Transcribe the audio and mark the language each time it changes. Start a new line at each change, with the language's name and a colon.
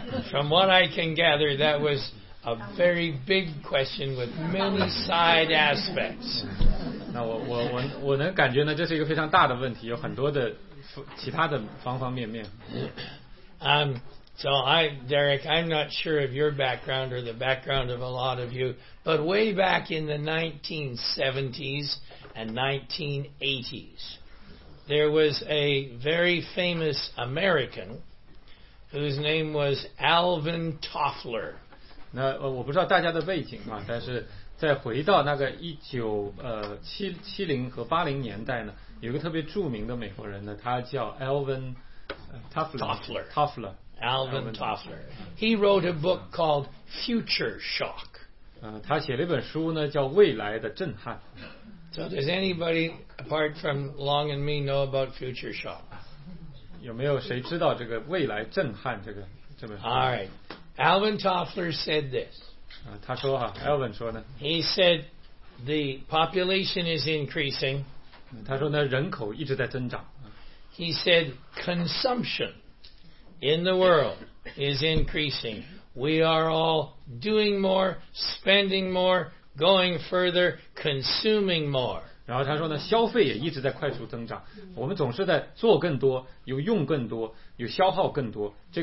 English: From what I can gather, that was a very big question with many side aspects.
Chinese: 那我能感觉呢，这是一个非常大的问题，有很多的其他的方方面面。
English: So Derek, I'm not sure of your background or the background of a lot of you, but way back in the 1970s and 1980s, there was a very famous American whose name was Alvin Toffler.
Chinese: 那我不知道大家的背景啊，但是在回到那个1970和80年代呢，有个特别著名的美国人呢，他叫 Alvin Toffler。
English: Alvin Toffler. He wrote a book called Future Shock.
Chinese: 他写了一本书呢，叫《未来的震撼》。
English: So does anybody apart from Long and me know about Future Shock?
Chinese: 有没有谁知道这个《未来震撼》这本书？
English: All right. Alvin Toffler said this.
Chinese: 他说哈， Alvin 说呢。
English: He said the population is increasing.
Chinese: 他说呢，人口一直在增长。
English: He said consumption. In the world is increasing. We are all doing more, spending more, going further, consuming more.
Chinese: 然后他说呢，消费也一直在快速增长。我们总是在做更多，又用更多，又消耗更多。